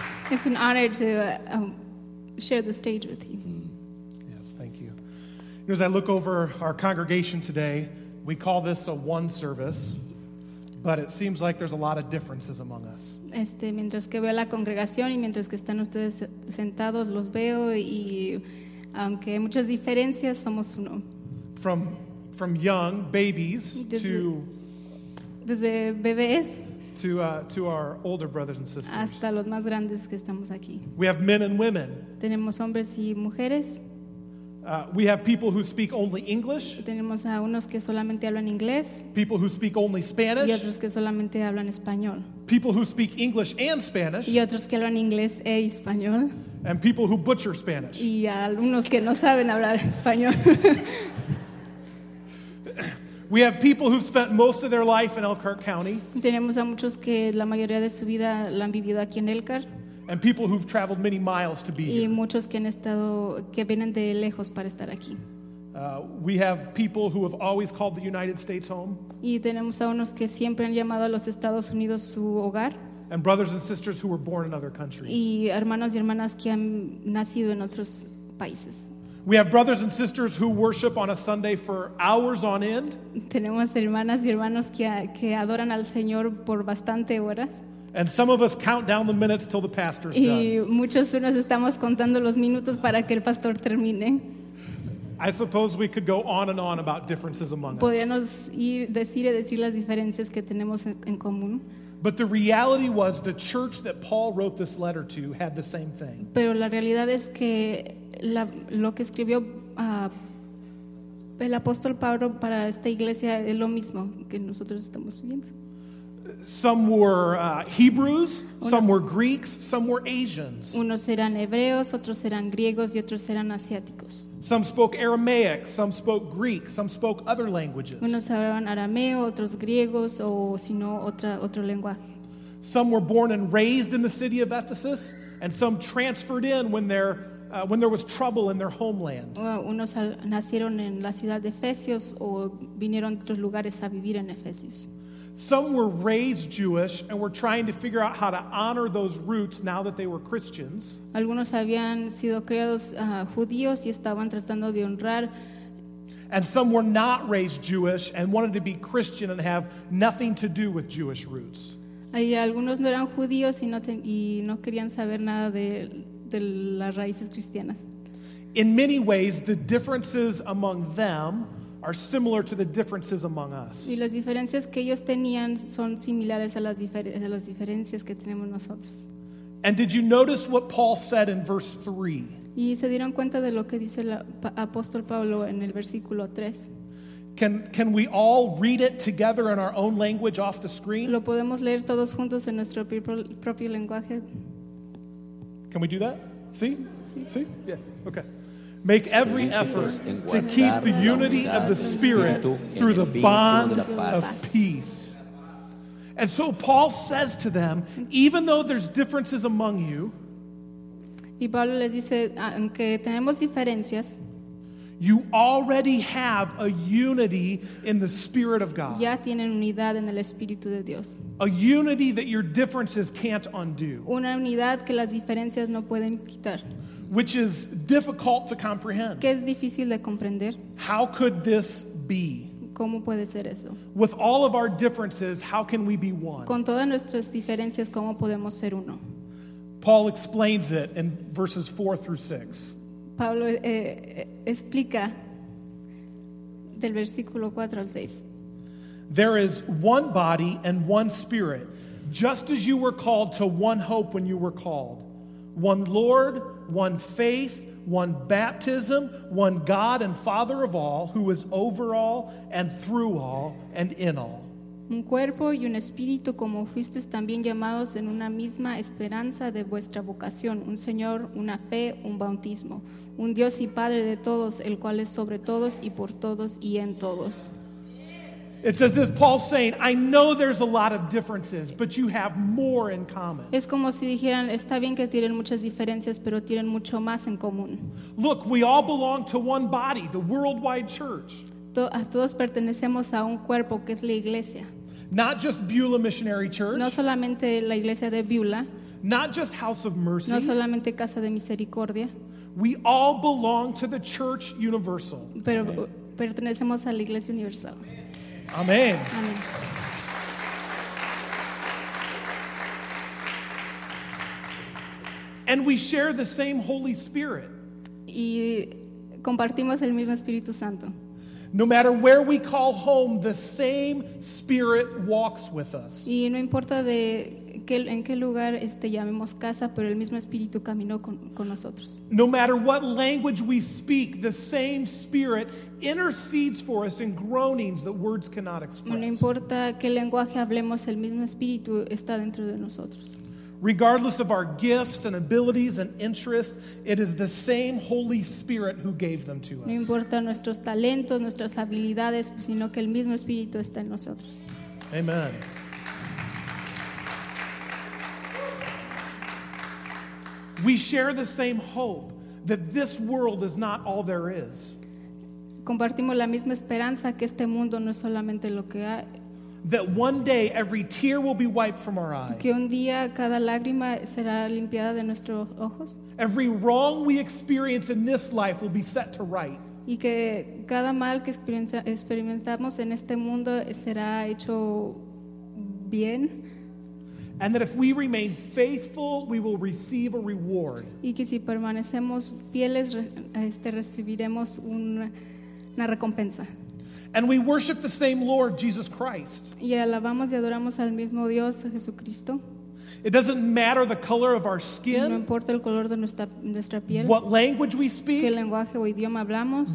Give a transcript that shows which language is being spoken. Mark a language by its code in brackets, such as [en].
[en] It's an honor to share the stage with you. Yes, thank you. As I look over our congregation today, we call this a one service, but it seems like there's a lot of differences among us. [es] Mientras que veo la congregación y mientras que están ustedes sentados, los veo y aunque hay muchas diferencias, somos uno. [en] From young babies [es] desde bebés. [en] To our older brothers and sisters. [es] Hasta los más grandes que estamos aquí. [en] We have men and women. [es] Tenemos hombres y mujeres. [en] We have people who speak only English. [es] Tenemos a unos que solamente hablan inglés. [en] People who speak only Spanish. [es] Y otros que solamente hablan español. [en] People who speak English and Spanish. [es] Y otros que hablan inglés e español. [en] And people who butcher Spanish. [es] Y a algunos que no saben hablar español. [en] We have people who've spent most of their life in Elkhart County. [es] Tenemos a muchos que la mayoría de su vida la han vivido aquí en Elkhart. [en] And people who've traveled many miles to be [es] y [en] here. [es] Y muchos que han estado que vienen de lejos para estar aquí. [en] We have people who have always called the United States home. [es] Y tenemos a unos que siempre han llamado a los Estados Unidos su hogar. [en] And brothers and sisters who were born in other countries. [es] Y hermanos y hermanas que han nacido en otros países. [en] We have brothers and sisters who worship on a Sunday for hours on end. [es] Tenemos hermanas y hermanos que adoran al Señor por bastante horas. [en] And some of us count down the minutes till the pastor's [es] y [en] done. [es] Y muchos de nos estamos contando los minutos para que el pastor termine. [en] I suppose we could go on and on about differences among [es] podríamos [en] us. [es] Ir decir y decir las diferencias que tenemos en común. [en] But the reality was the church that Paul wrote this letter to had the same thing. [es] Pero la realidad es que lo que escribió el apóstol Pablo para esta iglesia es lo mismo que nosotros estamos viviendo. [en] Some were Hebrews, some were Greeks, some were Asians. [es] Unos eran hebreos, otros eran griegos y otros eran asiáticos. [en] Some spoke Aramaic, some spoke Greek, some spoke other languages. [es] Unos hablaban arameo, otros griegos o sino otro lenguaje. [en] Some were born and raised in the city of Ephesus and some transferred in when there was trouble in their homeland. [es] Unos nacieron en la ciudad de Efesios o vinieron de otros lugares a vivir en Efesios. [en] Some were raised Jewish and were trying to figure out how to honor those roots now that they were Christians. [es] Algunos habían sido criados judíos y estaban tratando de honrar. [en] And some were not raised Jewish and wanted to be Christian and have nothing to do with Jewish roots. [es] Y algunos no eran judíos y no querían saber nada de las raíces cristianas. [en] In many ways, the differences among them are similar to the differences among us. [es] Y las diferencias que ellos tenían son similares a las diferencias que tenemos nosotros. [en] And did you notice what Paul said in verse 3? [es] Y se dieron cuenta de lo que dice el apóstol Pablo en el versículo 3. [en] Can we all read it together in our own language off the screen? [es] Lo podemos leer todos juntos en nuestro propio lenguaje. [en] Can we do that? See? [es] Sí. [en] See? Yeah. Okay. Make every effort to keep the unity of the Spirit through the bond of peace. And so Paul says to them, even though there's differences among you, [es] y Pablo les dice, aunque tenemos diferencias, [en] you already have a unity in the Spirit of God. [es] Ya tienen unidad en el Espíritu de Dios. [en] A unity that your differences can't undo. [es] Una unidad que las diferencias no pueden quitar. [en] Which is difficult to comprehend. [es] ¿Qué es difícil de comprender? [en] How could this be? [es] ¿Cómo puede ser eso? [en] With all of our differences, how can we be one? [es] Con todas nuestras diferencias, ¿cómo podemos ser uno? [en] Paul explains it in verses 4 through 6. [es] Pablo explica del versículo 4 al 6. [en] There is one body and one spirit, just as you were called to one hope when you were called. One Lord, one faith, one baptism, one God and Father of all, who is over all and through all and in all. [es] Un cuerpo y un espíritu, como fuisteis también llamados en una misma esperanza de vuestra vocación, un Señor, una fe, un bautismo, un Dios y Padre de todos, el cual es sobre todos y por todos y en todos. [en] It's as if Paul's saying, I know there's a lot of differences, but you have more in common. [es] Es como si dijeran, está bien que tienen muchas diferencias, pero tienen mucho más en común. [en] Look, we all belong to one body, the worldwide church. [es] Todos pertenecemos a un cuerpo que es la iglesia. [en] Not just Beulah Missionary Church. [es] No solamente la iglesia de Beulah. [en] Not just House of Mercy. [es] No solamente Casa de Misericordia. [en] We all belong to the Church Universal. [es] Pero pertenecemos a la iglesia universal. Amén. Amén. [en] And we share the same Holy Spirit. [es] Y compartimos el mismo Espíritu Santo. [en] No matter where we call home, the same Spirit walks with us. [es] Y no importa de qué, en qué lugar llamemos casa, pero el mismo Espíritu caminó con nosotros. [en] No matter what language we speak, the same Spirit intercedes for us in groanings that words cannot express. [es] No importa qué lenguaje hablemos, el mismo Espíritu está dentro de nosotros. [en] Regardless of our gifts and abilities and interests, it is the same Holy Spirit who gave them to us. [es] No importa nuestros talentos, nuestras habilidades, sino que el mismo Espíritu está en nosotros. [en] Amen. We share the same hope that this world is not all there is. [es] Compartimos la misma esperanza que este mundo no es solamente lo que hay. [en] That one day every tear will be wiped from our eyes. [es] Que un día cada lágrima será limpiada de nuestros ojos. [en] Every wrong we experience in this life will be set to right. [es] Y que cada mal que experimentamos en este mundo será hecho bien. [en] And that if we remain faithful, we will receive a reward. [es] Y que si permanecemos fieles, recibiremos una recompensa. [en] And we worship the same Lord, Jesus Christ. [es] Y alabamos y adoramos al mismo Dios, Jesucristo. [en] It doesn't matter the color of our skin. [es] No importa el color de nuestra piel. [en] What language we speak. [es] Qué lenguaje o idioma hablamos.